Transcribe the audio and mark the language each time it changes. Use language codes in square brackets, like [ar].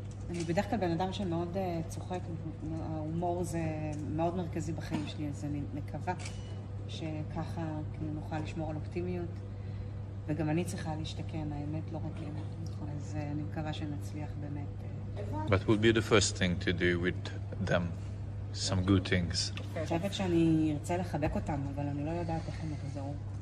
[he] אני בדרך כלל בן אדם שמאוד צוחק, ההומור זה מאוד מרכזי בחיים שלי, אז אני מקווה. שככה נוכל לשמור על אופטימיות וגם אני צריכה להשתכן, האמת לא רק אם אז אני מקווה שנצליח באמת. [en] What would be the first thing to do with them? Some good things. [he] אני חושבת שאני ארצה לחבק אותם, אבל אני לא יודעת איך הם יחזרו.